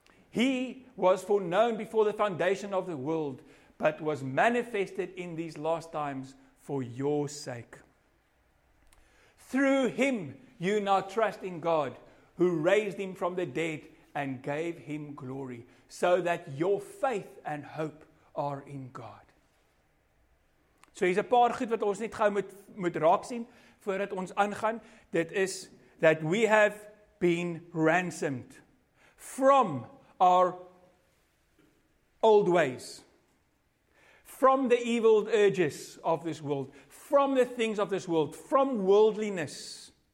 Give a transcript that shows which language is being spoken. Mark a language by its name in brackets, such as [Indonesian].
[English] He was foreknown before the foundation of the world, but was manifested in these last times for your sake. Through Him you now trust in God, who raised Him from the dead and gave Him glory, so that your faith and hope are in God. So here's a [Afrikaans] paar goed wat ons net gou moet raak sien voordat ons aangaan. Dit is [English] that we have been ransomed from our old ways, from the evil urges of this world, from the things of this world, from worldliness.